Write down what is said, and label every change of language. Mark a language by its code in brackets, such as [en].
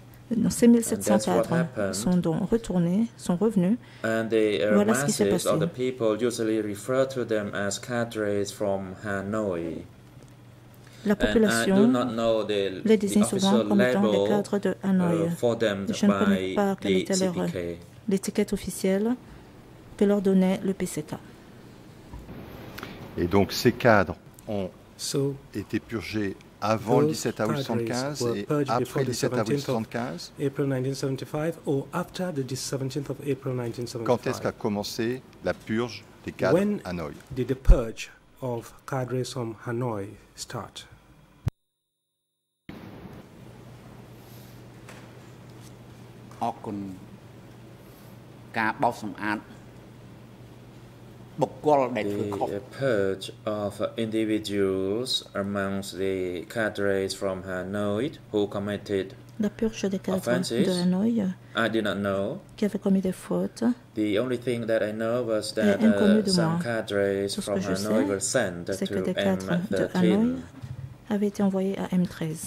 [fr] Donc, ces 1700 cadres sont donc retournés, sont revenus. Voilà ce qui s'est passé. [en] The people usually refer to them as cadres from Hanoi. [fr] La population les désigne souvent comme étant des cadres de Hanoi. Je ne connais pas quelle était leur l'étiquette officielle que leur donnait le PCK. Et donc, ces cadres ont été purgés avant le 17 août 1975 et après le 17 août 1975 ou après le 17 [en] of April [fr] 1975. Quand est-ce qu'a commencé la purge des cadres [en] when [fr] Hanoi? [en] When did the purge of cadres from Hanoi start? [km] អរគុណការបោសសម្អាតបុគ្គលដែលធ្វើខុស [en] The purge of individuals amongst the cadres from Hanoi who committed [fr] La purge des cadres de Hanoi. [en] I did not know. [fr] Qui avait commis des fautes. [en] The only thing that I know was that some cadres from Hanoi were sent to M13. [fr] C'est que des cadres de Hanoi avaient été envoyés à M13.